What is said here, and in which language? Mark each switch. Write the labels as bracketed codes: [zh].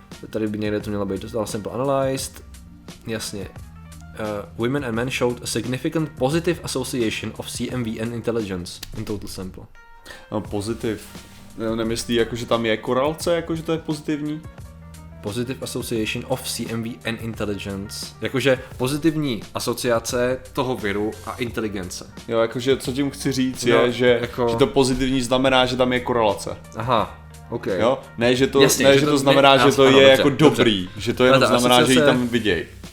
[cs] Tady by někde to mělo být, dostal [en] sample analyzed. [cs] Jasně. [en] Women and men showed a significant positive association of CMV and intelligence in total sample. Positive. [cs] Nemyslí, jakože tam je korelace, jakože to je pozitivní? [en] Positive association of CMV and intelligence. [cs] Jakože pozitivní asociace toho viru a inteligence. Jo, jakože co tím chci říct je, že to pozitivní znamená, že tam je korelace. Aha, ok. Jo? Ne, že to, jasně, ne, že to znamená, ne, že to ano, je dobře, jako dobrý, dobře. Že to jenom znamená, že ji tam vidějí.